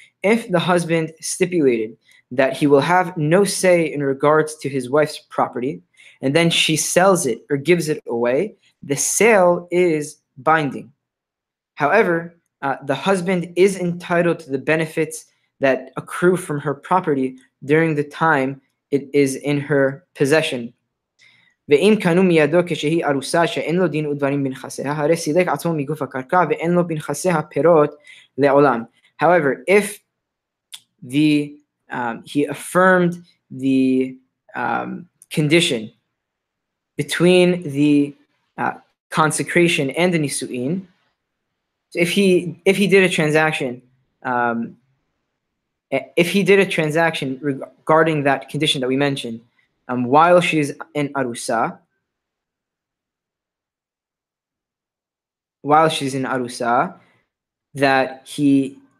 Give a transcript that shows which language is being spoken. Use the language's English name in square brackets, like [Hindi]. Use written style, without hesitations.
[English] If the husband stipulated that he will have no say in regards to his wife's property, and then she sells it or gives it away, the sale is binding. However, the husband is entitled to the benefits that accrue from her property during the time it is in her possession. [Hebrew] ואם קנו מידו כשהיא ארוסה שאין לו דין ודברים בנכסיה, הרי סילק עצמו מגוף הקרקע ואין לו בנכסיה פירות לעולם. [English] However, if he affirmed the condition between the consecration and the nisuin, so if he did a transaction, regarding that condition that we mentioned, while she's in arusa, that he